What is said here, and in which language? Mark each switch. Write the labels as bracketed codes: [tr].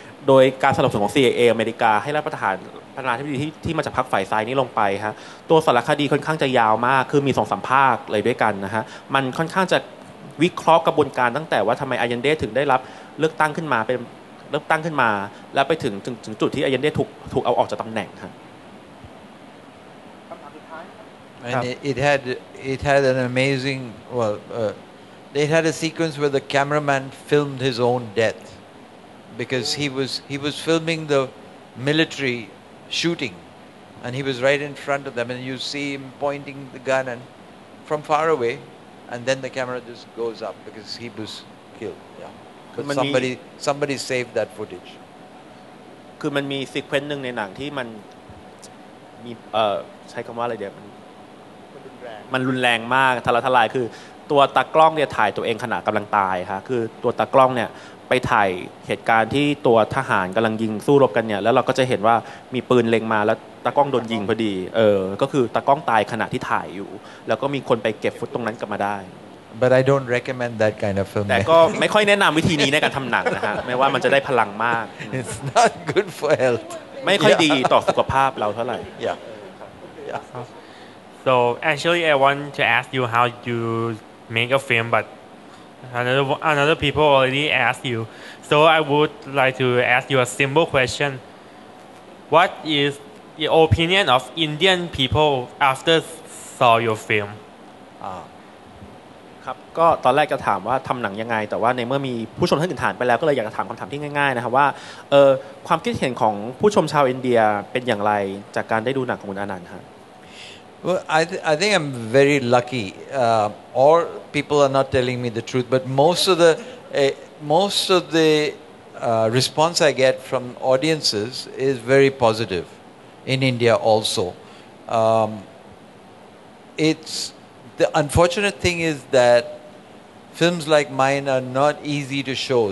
[th] ดยการสนับสนุนของ CIA อเมริกาให้รัฐประหารประธานาธิบดีที่มาจากพรรคฝ่ายซ้ายนี้ลงไปฮะตัวสารคดีค่อนข้างจะยาวมากคือมี2สัมภาษณ์เลยด้วยกันนะฮะมันค่อนข้างจะวิเคราะห์กระบวนการตั้งแต่ว่าทำไมอายันเดถึงได้รับเลือกตั้งขึ้นมาเป็นเลือกตั้งขึ้นมาแล้วไปถึงจุดที่อายันเดถูกเอาออกจากตำแหน่งฮะ [en] it had an amazing well, it had a sequence where the cameraman filmed his own death because he was filming the military shooting and he was right in front of them and you see him pointing the gun and from far away and then the camera just goes up because he was killed. Yeah. But somebody saved that footage. [th] คือมันมีซีเควนต์หนึ่งในหนังที่มันมีใช้คำว่าอะไรเดี๋ยวมันรุนแรงมากทะลักทลายคือตัวตากล้องเนี่ยถ่ายตัวเองขณะกำลังตายค่ะคือตัวตากล้องเนี่ยไปถ่ายเหตุการณ์ที่ตัวทหารกำลังยิงสู้รบกันเนี่ยแล้วเราก็จะเห็นว่ามีปืนเล็งมาแล้วตากล้องโดนยิงพอดีก็คือตากล้องตายขณะที่ถ่ายอยู่แล้วก็มีคนไปเก็บฟุตตรงนั้นกลับมาได้ [en] but I don't recommend that kind of film [th] แต่ก็ไม่ค่อยแนะนำวิธีนี้ในการทำหนังนะฮะไม่ว่ามันจะได้พลังมาก [en] it's not good for health [th] ไม่ค่อยดีต่อสุขภาพเราเท่าไหร่ [en] yeah so actually I want to ask you how you make a film butAnother people already asked you, so I would like to ask you a simple question. What is the opinion of Indian people after saw your film? [th] ครับก็ตอนแรกจะถามว่าทำหนังยังไงแต่ว่าในเมื่อมีผู้ชมท่านอื่นถามไปแล้วก็เลยอยากจะถามคำถามที่ง่ายๆนะครับว่าความคิดเห็นของผู้ชมชาวอินเดียเป็นอย่างไรจากการได้ดูหนังของคุณอนันต์ฮะ [en] Well, I think I'm very lucky. All people are not telling me the truth, but most of the response I get from audiences is very positive. In India, also, it's the unfortunate thing is that films like mine are not easy to show.